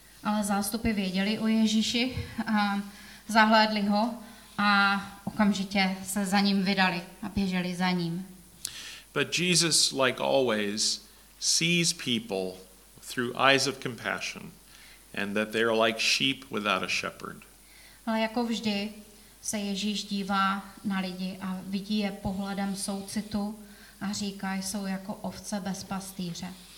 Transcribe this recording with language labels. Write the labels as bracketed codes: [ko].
[cs] Ale zástupy věděli o Ježíši, zahlédli ho a okamžitě se za ním vydali a běželi za ním. [en] But Jesus, like always, sees people through eyes of compassion and that they are like sheep without a shepherd. [cs] Ale jako vždy se Ježíš dívá na lidi a vidí je pohledem soucitu a říká, jsou jako ovce bez pastýře.